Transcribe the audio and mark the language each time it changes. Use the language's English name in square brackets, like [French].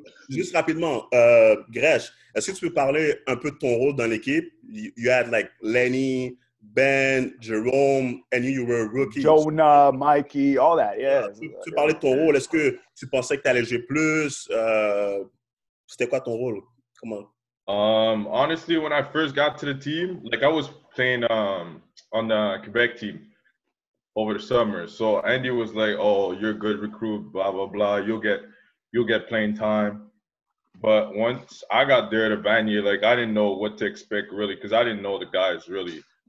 [French] Juste rapidement, Gresh, est-ce que tu peux parler un peu de ton rôle dans l'équipe? [English] You had like Lenny, Ben, Jerome, and you were a rookie. Jonah, Mikey, all that, yeah. [French] Tu parlais de ton rôle. Est-ce que tu pensais que tu allais jouer plus? C'était quoi ton rôle? Comment? [English] Honestly, when I first got to the team, like I was playing on the Quebec team over the summer. So Andy was like, "Oh, you're a good recruit, blah blah blah. You'll get playing time." But once I got there to Vanier, like I didn't know what to expect really, because I didn't know the guys really.